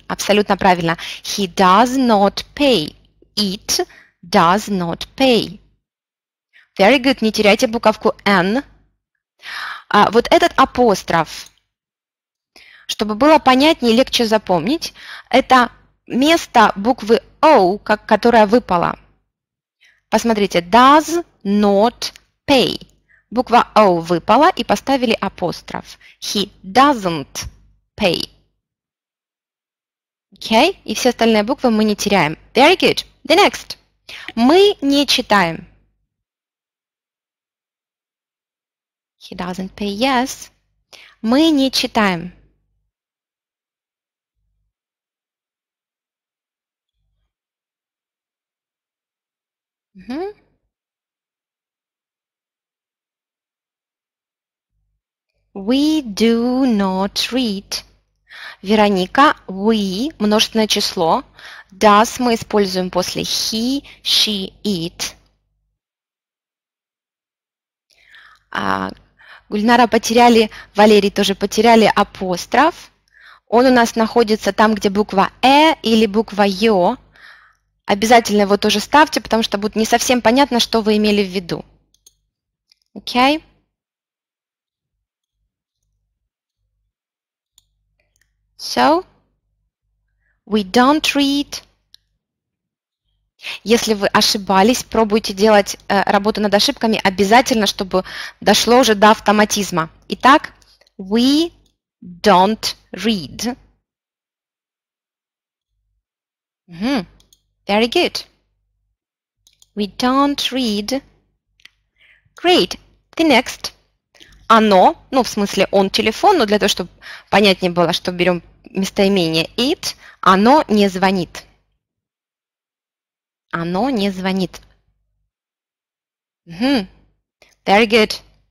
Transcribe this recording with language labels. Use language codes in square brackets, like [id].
[ru] Абсолютно правильно. [en] He does not pay. It does not pay. Very good. [ru] Не теряйте буковку N. Вот этот апостроф. Чтобы было понятнее и легче запомнить, это место буквы O, которая выпала. Посмотрите, [en] does not pay. [ru] Буква O выпала и поставили апостроф. [en] He doesn't pay. Okay? [ru] И все остальные буквы мы не теряем. [en] Very good. The next. [ru] Мы не читаем. [en] He doesn't pay, yes. [ru] Мы не читаем. [en] We do not read. [ru] Вероника, we, множественное число. Does мы используем после he, she, it. Гульнара потеряли, Валерий тоже потеряли апостроф. Он у нас находится там, где буква э или буква ё. Обязательно его тоже ставьте, потому что будет не совсем понятно, что вы имели в виду. Окей? [en] So, we don't read. [ru] Если вы ошибались, пробуйте делать работу над ошибками обязательно, чтобы дошло уже до автоматизма. Итак, [en] we don't read. Very good. We don't read. Great. The next. [ru] Оно, ну, в смысле он телефон, но для того, чтобы понятнее было, что берем местоимение it, оно не звонит. Оно не звонит. [en] Very good.